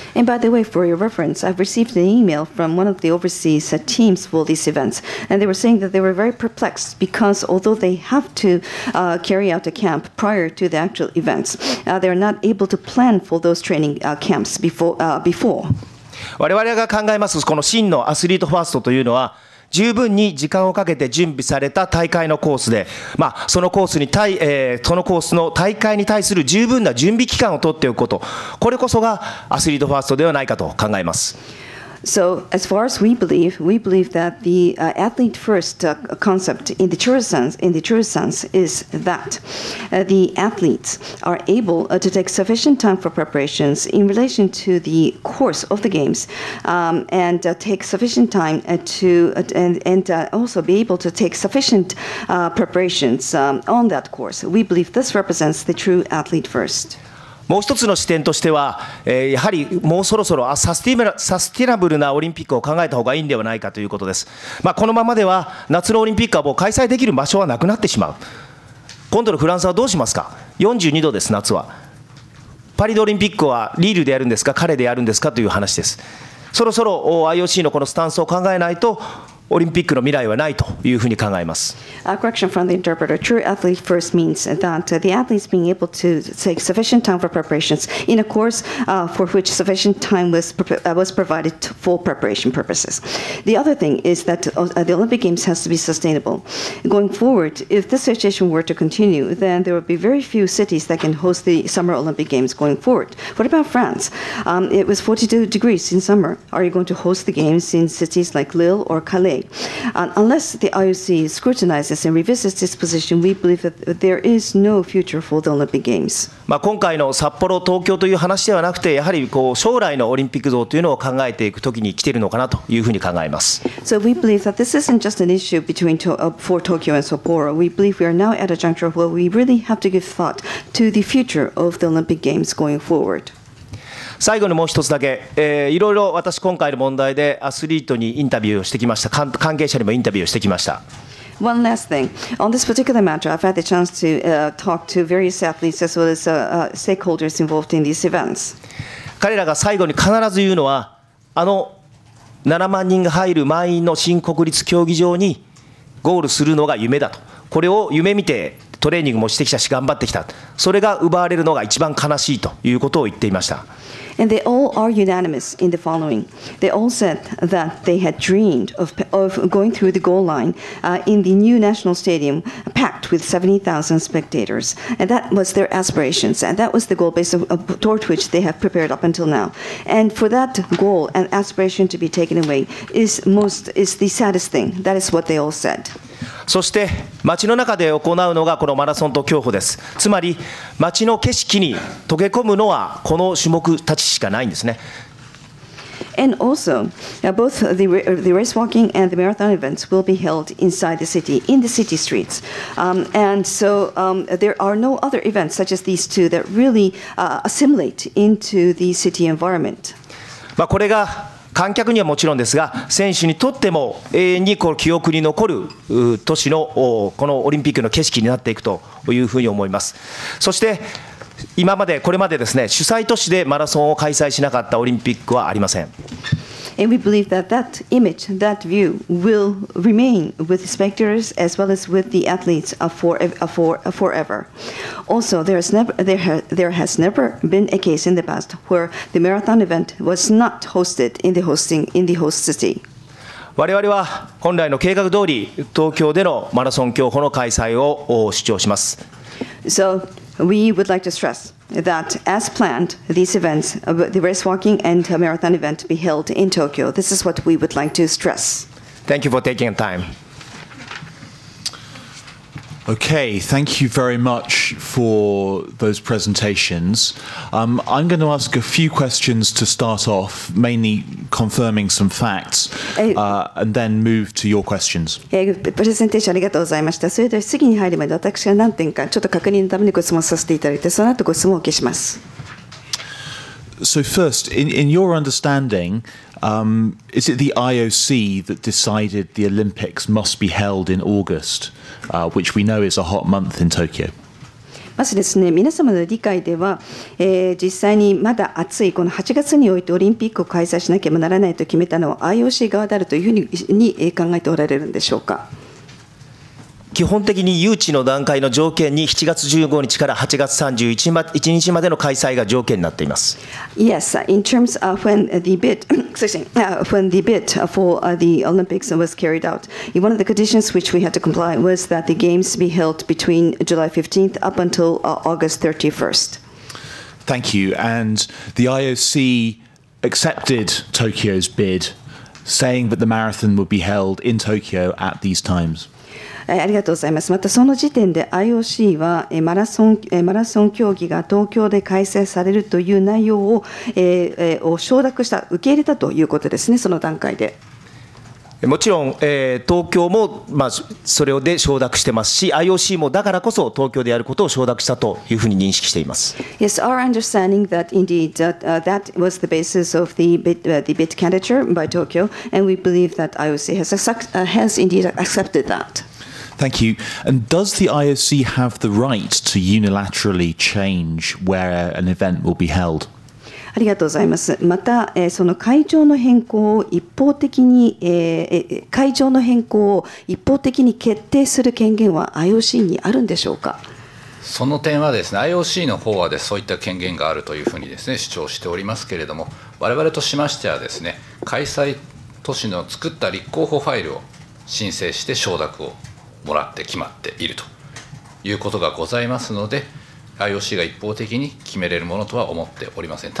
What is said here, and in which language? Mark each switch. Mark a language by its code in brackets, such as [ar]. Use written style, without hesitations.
[en] And by the way, for your reference, I've received an email from one of the overseas teams for these events, and they were saying that they were very perplexed because although they have to carry out a camp prior to the actual events, they are not able to plan for those training camps before. [ja] 我々が考えますこの真のアスリートファーストというのは十分に時間をかけて準備された大会のコースで、まあ、そのコースに対、そのコースの大会に対する十分な準備期間を取っておくこと、これこそがアスリートファーストではないかと考えます。 [en] So as far as we believe that the athlete first concept in the truest sense is that the athletes are able to take sufficient time for preparations in relation to the course of the games and take sufficient time to also be able to take sufficient preparations on that course. We believe this represents the true athlete first. [ja] もう一つの視点としては、やはりもうそろそろサスティナブルなオリンピックを考えた方がいいんではないかということです。まあ、このままでは夏のオリンピックはもう開催できる場所はなくなってしまう。今度のフランスはどうしますか。42度です夏は。パリオリンピックはリールでやるんですか、彼でやるんですかという話です。そろそろ IOC のこのスタンスを考えないとオリンピックの未来はないというふうに考えます。 [en] Correction from the interpreter. True athlete first means that the athletes being able to take sufficient time for preparations in a course for which sufficient time was provided for preparation purposes. The other thing is that the Olympic Games has to be sustainable. Going forward, if this situation were to continue, then there would be very few cities that can host the Summer Olympic Games going forward. What about France? It was 42 degrees in summer. Are you going to host the games in cities like Lille or Calais? Unless the IOC scrutinizes and revisits this position, we believe that there is no future for the Olympic Games. [ja] まあ今回の札幌、東京という話ではなくて、やはりこう将来のオリンピック像というのを考えていくときに来ているのかなというふうに考えます。 [en] So we believe that this isn't just an issue between for Tokyo and Sapporo. We believe we are now at a juncture where we really have to give thought to the future of the Olympic Games going forward. [ja] 最後にもう一つだけ、いろいろ私今回の問題でアスリートにインタビューをしてきました。関係者にもインタビューをしてきました。 [en] One last thing. On this particular matter, I've had the chance to talk to various athletes as well as stakeholders involved in these events. [ja] 彼らが最後に必ず言うのは、あの7万人が入る満員の新国立競技場にゴールするのが夢だと。これを夢見てトレーニングもしてきたし頑張ってきた。それが奪われるのが一番悲しいということを言っていました。 [en] And they all are unanimous in the following. They all said that they had dreamed of going through the goal line in the new national stadium packed with 70,000 spectators. And that was their aspirations. And that was the goal based toward which they have prepared up until now. And for that goal and aspiration to be taken away is the saddest thing. That is what they all said. [ja] そして街の中で行うのがこのマラソンと競歩です。つまり街の景色に溶け込むのはこの種目たちしかないんですね。 [en] And also both the race walking and the marathon events will be held inside the city in the city streets and so there are no other events such as these two that really assimilate into the city environment. [ja] まあこれが観客にはもちろんですが、選手にとっても永遠にこう記憶に残る都市のこのオリンピックの景色になっていくというふうに思います。そして今までこれまでですね、主催都市でマラソンを開催しなかったオリンピックはありません。 [en] And we believe that that image, that view will remain with the spectators as well as with the athletes forever. Also, there has never been a case in the past where the marathon event was not hosted in the host city. [ja] 我々は本来の計画通り東京でのマラソン競歩の開催を主張します。 [en] So we would like to stress. That as planned, these events, the race walking and marathon event, be held in Tokyo. This is what we would like to stress. Thank you for taking time. Okay, thank you very much for those presentations. I'm going to ask a few questions to start off, mainly confirming some facts, and then move to your questions. [ja] プレゼンテーションありがとうございました。それでは次に入るまで私が何点かちょっと確認のためにご質問させていただいて、その後ご質問をお受けします。 [en] So first, in your understanding, is it the IOC that decided the Olympics must be held in August, which we know is a hot month in Tokyo? [ja] まずですね、皆様の理解では、実際にまだ暑いこの8月においてオリンピックを開催しなければならないと決めたのは IOC 側であるというふうに考えておられるんでしょうか。基本的に誘致の段階の条件に7月15日から8月31日までの開催が条件になっています。 [en] Yes, in terms of when the bid, when the bid for the Olympics was carried out, one of the conditions which we had to comply was that the games be held between July 15th up until August 31st. Thank you. And the IOC accepted Tokyo's bid, saying that the marathon would be held in Tokyo at these times. [ja] ありがとうございます。またその時点で IOC はマラソン競技が東京で開催されるという内容を、承諾した、受け入れたということですね、その段階で。もちろん、東京も、まあ、それで承諾してますし、IOC もだからこそ東京でやることを承諾したというふうに認識しています。 [en] Yes, our understanding that indeed that was the basis of the bid candidature by Tokyo, and we believe that IOC has indeed accepted that. Thank you. And does the IOC have the right to unilaterally change where an event will be held? [ja] ありがとうございます。また、その会場の変更を一方的に、会場の変更を一方的に決定する権限は IOC にあるんでしょうか？その点はですね、IOC の方はそういった権限があるというふうにですね、主張しておりますけれども、我々としましてはですね、開催都市の作った立候補ファイルを申請して承諾をもらって決まっているということがございますので、IOC が一方的に決めれるものとは思っておりません。